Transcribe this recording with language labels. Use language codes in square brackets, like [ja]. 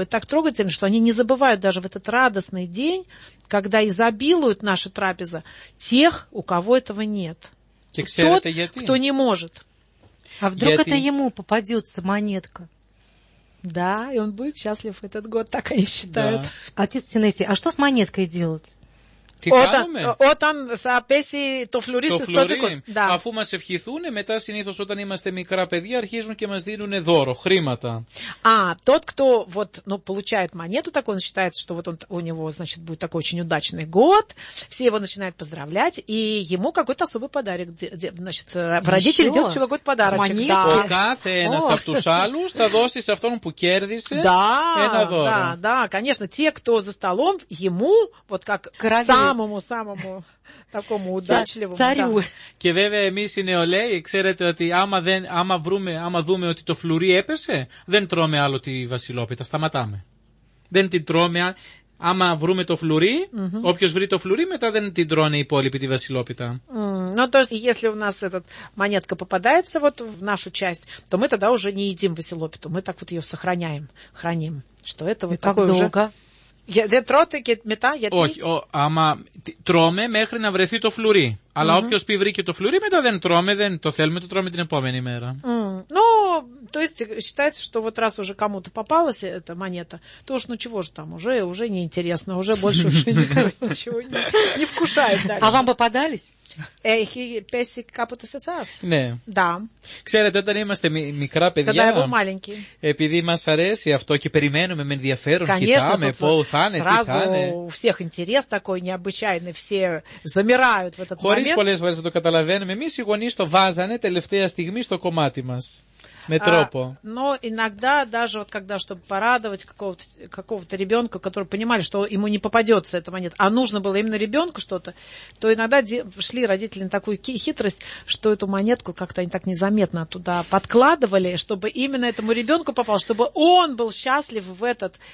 [ru] Это так трогательно, что они не забывают даже в этот радостный день, когда изобилуют наши трапезы тех, у кого этого нет. Тот, кто не может. А вдруг это ему попадется монетка? Да, и он будет счастлив этот год, так они считают. Да. Отец Тенеси, а что с монеткой делать? [el] Όταν θα πέσει το φλουρί στο δικό σου. Αφού μας ευχηθούν, μετά συνήθως όταν είμαστε μικρά παιδιά, αρχίζουν και μας δίνουν δώρο, χρήματα. [ru] Α, тот, кто вот, ну, получает монету, так он считает, что вот он, у него, значит, будет такой очень удачный год, все его начинают поздравлять, и ему какой-то особый подарок, значит, родители сделают еще какой-то подарочек. Монета. Да. [el] И кафе, ένας από τους άλλους, θα δώσει σε αυτόν που κέρδισε ένα δώρο. [ru] Да, да, конечно, те, кто за столом, ему, вот как сам самому-самому такому удачливому. Царю. Да. [el] Και βέβαια εμείς οι νεολαίοι, ξέρετε ότι άμα δούμε ότι το φλουρί έπεσε, δεν τρώμε άλλο τη βασιλόπιτα, σταματάμε. Δεν την τρώμε, άμα βρούμε το φλουρί, όποιος βρει το φλουρί, μετά δεν την τρώνε οι υπόλοιποι τη βασιλόπιτα. [ru] Ну, то есть, если у нас эта монетка попадается вот в нашу часть, то мы тогда уже не едим βασιλόπιτα, мы так вот ее сохраняем, храним. Что это вот такое уже... [el] Δεν τρώτε και μετά γιατί... Όχι, άμα τρώμε μέχρι να βρεθεί το φλουρί. Αλλά όποιος πει βρήκε το φλουρί, μετά δεν τρώμε, δεν το θέλουμε, το τρώμε την επόμενη μέρα. [ru] Ну, то есть, считается, что вот раз уже кому-то попалась эта монета, то уж, ну чего же там, уже неинтересно, уже больше ничего не вкушает дальше. А вам попадались? [el] Έχει πέσει κάποτε σε εσάς? Ναι. [ru] Да. [el] Ξέρετε, όταν είμαστε μικρά παιδιά, [ru] тогда я был маленький. [el] Επειδή μας αρέσει αυτό και περιμένουμε με ενδιαφέρον, κοιτάμε, πού θα είναι, τι θα είναι. [ru] Сразу у всех интерес такой необычайный, все замирают в этот момент. [el] Χωρίς πολλές φορές να το καταλαβαίνουμε, εμείς οι γονείς το βάζανε τελευταία στιγμή στο κομμάτι μας. Με τρόπο. [ru] Но иногда, даже вот когда, чтобы порадовать какого-то ребенка, который понимали, что ему не попадется эта монета, а нужно было именно ребенку что-то, то иногда шли родители на такую хитрость, что эту монетку как-то они так незаметно туда подкладывали, чтобы именно этому ребенку попало, чтобы он был счастлив в этот...